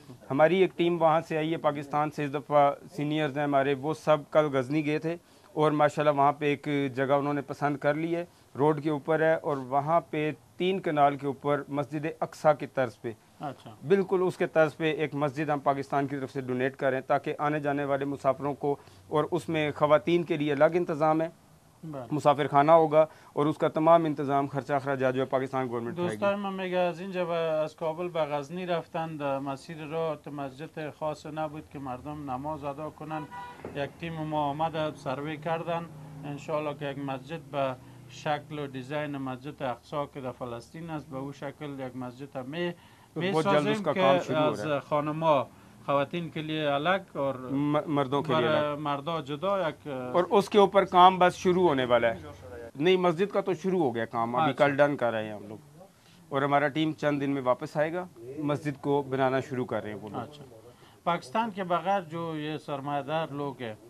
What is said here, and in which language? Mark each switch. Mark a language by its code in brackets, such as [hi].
[ur] ہماری ایک ٹیم وہاں سے آئی ہے پاکستان سے، اس دفعہ سینئرز ہیں ہمارے، وہ سب کل غزنی گئے تھے اور ماشاءاللہ وہاں پہ ایک جگہ انہوں نے پسند کر لی ہے، روڈ کے اوپر ہے اور وہاں پہ تین کنال کے اوپر مسجد اقصیٰ کی طرز پہ، بالکل اس کے طرز پہ ایک مسجد ہم پاکستان کی طرف سے ڈونیٹ کر رہے ہیں تاکہ آنے جانے والے مسافروں کو، اور اس میں خواتین کے لیے الگ انتظام ہے، مسافر خانہ ہوگا اور اس کا تمام انتظام خرچہ خراجہ جو ہے پاکستان گورنمنٹ کرے گی۔ [fa] دوستان میں میگا از اینجا از کابل به غزنی رفتند، مسیر را تو مسجد خاص نبود که مردم نماز ادا کنند، یک تیم ما آمد سروی کردند، انشاءالله که یک مسجد به شکل و دیزاین مسجد اقصی که در فلسطین است به او شکل یک مسجد هم می سازیم که از خانما [ur] خواتین کے لیے الگ اور مردوں کے لیے [fa] مردا جدا، ایک [ur] اور اس کے اوپر کام بس شروع ہونے والا ہے۔ نہیں مسجد کا تو شروع ہو گیا کام، ابھی کل ڈن کر رہے ہیں ہم لوگ، اور ہمارا ٹیم چند دن میں واپس آئے گا، مسجد کو بنانا شروع کر رہے ہیں وہ لوگ۔ اچھا پاکستان کے بغیر جو یہ سرمایہ دار لوگ ہیں